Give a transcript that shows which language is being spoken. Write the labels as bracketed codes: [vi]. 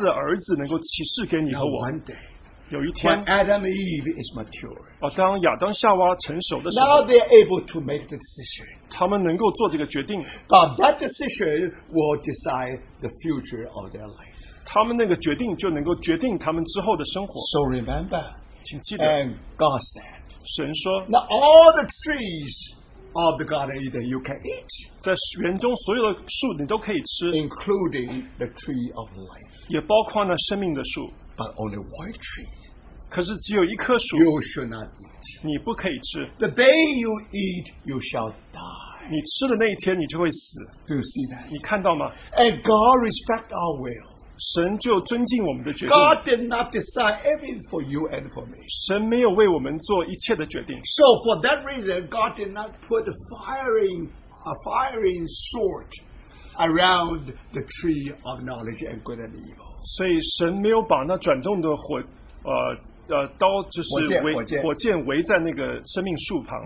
[zh] 神的心愿乃是把他的儿子能够启示给你和我。 [en] Now one day, [zh] 有一天, [en] when Adam and Eve is mature, [zh] 当亚当夏娃成熟的时候, [en] now they are able to make the decision. [zh] 他们能够做这个决定, [en] but that decision will decide the future of their life. [zh] 他们那个决定就能够决定他们之后的生活。 [en] So remember, [zh] 请记得, [en] and God said, [zh] 神说, [en] now all the trees of the Garden of Eden you can eat, [zh] 在园中所有的树你都可以吃, [en] including the tree of life, [zh] 也包括了生命的树, [en] but only one tree, [zh] 可是只有一棵树, [en] you should not eat. [zh] 你不可以吃, [en] the day you eat, you shall die. [zh] 你吃的那一天你就会死, [en] do you see that? [zh] 你看到吗? [en] And God respects our will. God did not decide everything for you and for me. [zh] 神没有为我们做一切的决定。 [en] So for that reason, God did not put a firing sword around the tree of knowledge and good and evil. [zh] 所以神没有把那转动的火箭围在那个生命树旁。